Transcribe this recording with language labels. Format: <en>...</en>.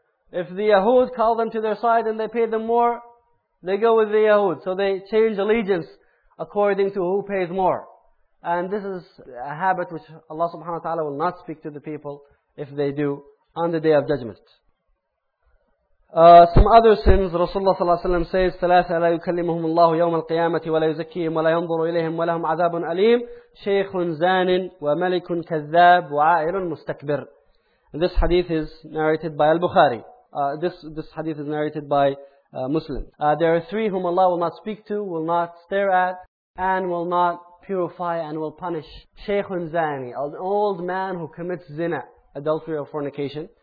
<en>If the Yahud call them to their side and they pay them more, they go with the Yahud. So they change allegiance according to who pays more. And this is a habit which Allah subhanahu wa ta'ala will not speak to the people if they do on the Day of Judgment. Some other sins, Rasulullah sallallahu alayhi wa sallam says,</en> <ar>ثلاثة لا يكلمهم الله يوم القيامة ولا يزكيهم ولا ينظر إليهم ولهم عذاب أليم شيخ زان وملك كذاب وعائل مستكبر.</ar> <en>This hadith is narrated by Al-Bukhari. This hadith is narrated by Muslim. There are three whom Allah will not speak to, will not stare at, and will not purify and will punish. Shaykh Zani, an old man who commits zina, adultery or fornication.</en>